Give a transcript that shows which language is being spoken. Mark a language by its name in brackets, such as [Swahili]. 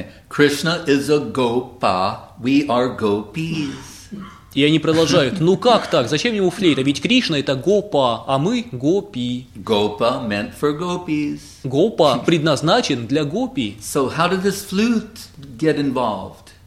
[English] Krishna is a gopa, we are gopis. [Russian] И они продолжают, ну как так, зачем ему флейта? Ведь Кришна это гопа, а мы гопи. [English] Gopa meant for gopis. [Russian] Гопа предназначен для гопи. [English] So how did this flute get involved?